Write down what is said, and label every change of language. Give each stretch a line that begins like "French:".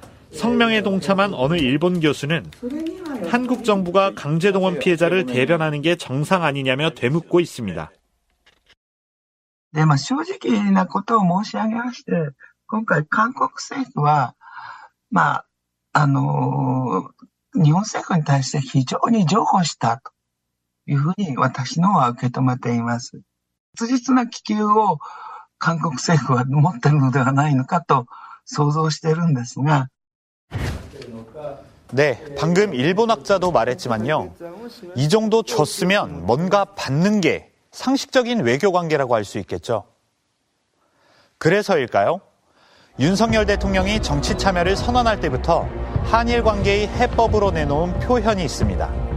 Korean: 성명에 동참한 어느 일본 교수는 한국 정부가 강제동원 피해자를 대변하는 게 정상 아니냐며 되묻고 있습니다. 네, 뭐
Japanese: 正直なことを申し上げまして、今回韓国政府は、まあ、日本政府に対して非常に譲歩したというふうに私のは受け止めています。確実な気球を韓国政府は持ってるのではないのかと想像してるんですが。
Korean: 네, 방금 일본 학자도 말했지만요. 이 정도 줬으면 뭔가 받는 게 상식적인 외교 관계라고 할 수 있겠죠. 그래서일까요? 윤석열 대통령이 정치 참여를 선언할 때부터 한일 관계의 해법으로 내놓은 표현이 있습니다.